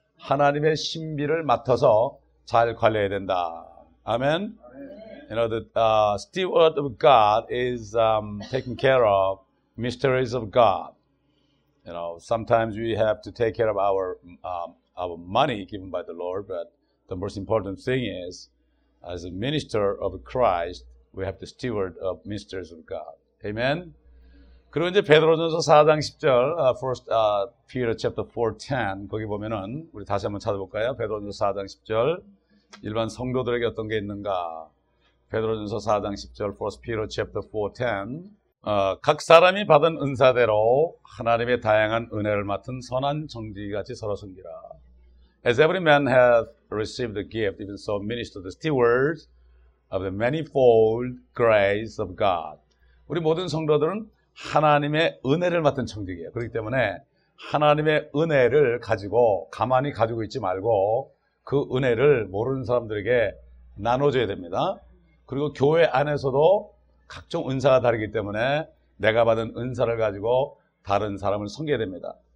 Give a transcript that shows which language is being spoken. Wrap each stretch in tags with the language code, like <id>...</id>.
<ko>하나님의 신비를 맡아서 잘 관리해야 된다. 아멘.</ko> <en>You know, the steward of God is taking care of mysteries of God. You know, sometimes we have to take care of our money given by the Lord, but the most important thing is, as a minister of Christ, we have to steward of mysteries of God.</en> <ko>Amen. 그리고 이제 베드로전서 4장 10절,</ko> <en>First Peter chapter 4:10</en> <ko>거기 보면은 우리 다시 한번 찾아볼까요? 베드로전서 4장 10절 일반 성도들에게 어떤 게 있는가? 베드로전서 4장 10절,</ko> <en>First Peter chapter 4:10</en> <ko>각 사람이 받은 은사대로 하나님의 다양한 은혜를 맡은 선한 청지기 같이 서로 섬기라.</ko> <en>As every man hath received the gift, even so minister the stewards of the manifold grace of God.</en> <ko>우리 모든 성도들은 하나님의 은혜를 맡은 청지기예요. 그렇기 때문에 하나님의 은혜를 가지고 가만히 가지고 있지 말고 그 은혜를 모르는 사람들에게 나눠줘야 됩니다. 그리고 교회 안에서도 각종 은사가 다르기 때문에 내가 받은 은사를 가지고 다른 사람을 섬겨야 됩니다.</ko>